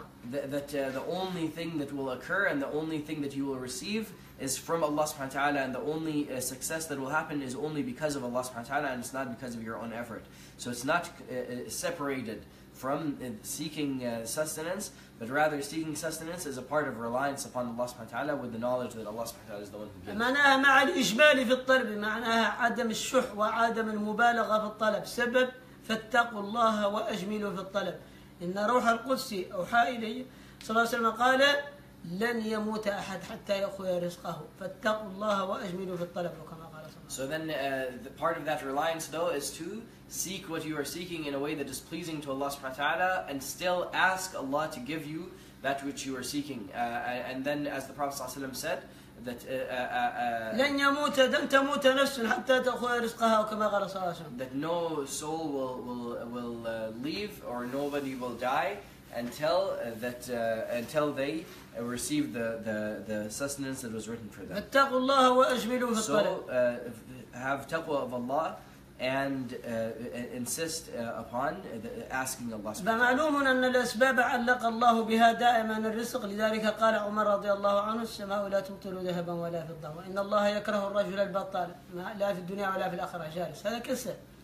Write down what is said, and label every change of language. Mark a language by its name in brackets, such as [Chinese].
[English] that the only thing that will occur and the only thing that you will receive is from Allah subhanahu wa ta'ala, and the only success that will happen is only because of Allah subhanahu wa ta'ala, and it's not because of your own effort. So it's not separated from seeking sustenance, but rather seeking sustenance is a part of reliance upon Allah subhanahu wa ta'ala with the knowledge that Allah subhanahu wa ta'ala is the one who gives. [Arabic] معناها مع الإجمال في الطلب معناها عدم الشح وعدم المبالغة في الطلب سبب فاتقوا الله وأجملوا في الطلب إن روح القدس أوحى إلي صلى الله عليه وسلم قال لن يموت أحد حتى يأخذ رزقه فاتقوا الله وأجملوا في الطلب كما قال صلى الله عليه [English] وسلم. So then the part of that reliance though is to seek what you are seeking in a way that is pleasing to Allah subhanahu wa ta'ala, and still ask Allah to give you that which you are seeking. And then as the Prophet sallallahu alaihi wasallam said, that [Arabic] لن يموت لن تموت نفس حتى تأخذ رزقها كما قال صلى الله عليه وسلم. [English] That no soul will leave or nobody will die until they receive the sustenance that was written for them. [Arabic] اتقوا الله واجملوا في الطلب. [English] So have taqwa of Allah and insist upon asking Allah. [Arabic] بمعلوم أن الأسباب علق الله بها دائما الرزق لذلك قال عمر رضي الله عنه السماء لا تمطر ذهبا ولا فضة وإن الله يكره الرجل البطال لا في الدنيا ولا في الآخرة جالس هذا قصة.